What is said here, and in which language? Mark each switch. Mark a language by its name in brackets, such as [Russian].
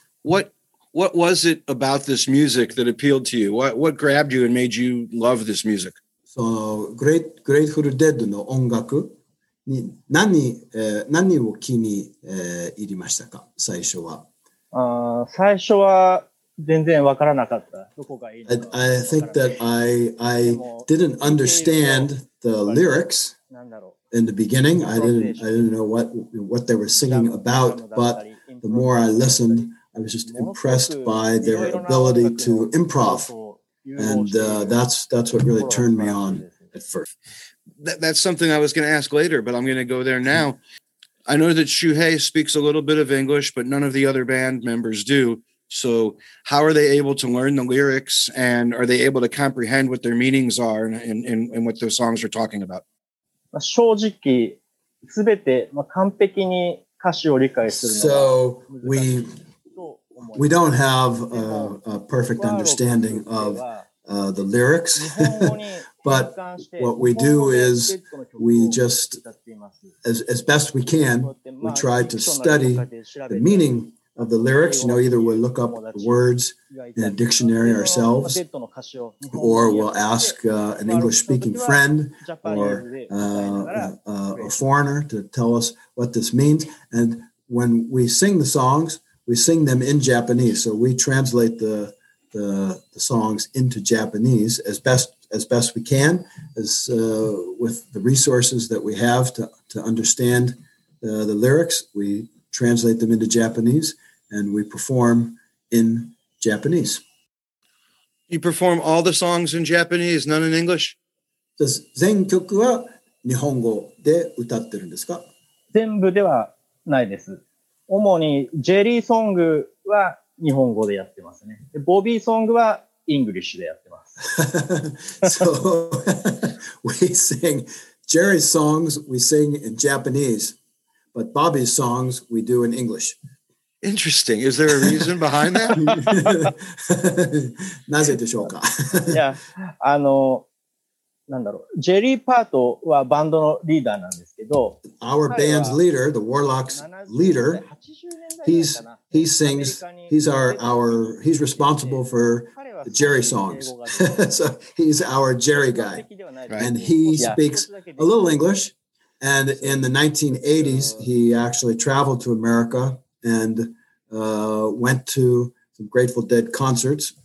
[English] What was it about this music that appealed to you? What grabbed you and made you love this music? [Japanese] So, Grateful Dead の音楽に何を気に入りましたか？最初は。最初は全然わからなかった。どこがいいの？ [English] I think that I didn't understand the lyrics. In the beginning, I didn't know what they were singing about. But the more I listened, I was just impressed by their ability to improv. And that's what really turned me on at first. That's something I was going to ask later, but I'm going to go there now. I know that Shuhei speaks a little bit of English, but none of the other band members do. So how are they able to learn the lyrics, and are they able to comprehend what their meanings are and what those songs are talking about? [Japanese] 正直、すべて完璧に歌詞を理解するのは。 [English] So we don't have a perfect understanding of the lyrics, but what we do is we just, as best we can, we try to study the meaning of the lyrics. You know, either we'll look up the words in a dictionary ourselves, or we'll ask an English-speaking friend or a foreigner to tell us what this means. And when we sing the songs, we sing them in Japanese, so we translate the songs into Japanese as best we can, as with the resources that we have to understand the lyrics. We translate them into Japanese, and we perform in Japanese. You perform all the songs in Japanese, none in English? [Japanese] 全曲は日本語で歌ってるんですか？全部ではないです。主にジェリーソングは日本語でやってますね。で、ボビーソングはイングリッシュでやってます。 [English] So, we sing Jerry's songs, we sing in Japanese, but Bobby's songs we do in English. Interesting. Is there a reason behind that? [Japanese] なぜでしょうか? いや、なんだろう。ジェリーパートはバンドのリーダーなんですけど、 [English] Our band's leader, the Warlocks leader, he sings, he's responsible for the Jerry songs. So he's our Jerry guy. Right. And he speaks a little English. And in the 1980s, he actually traveled to America and went to some Grateful Dead concerts.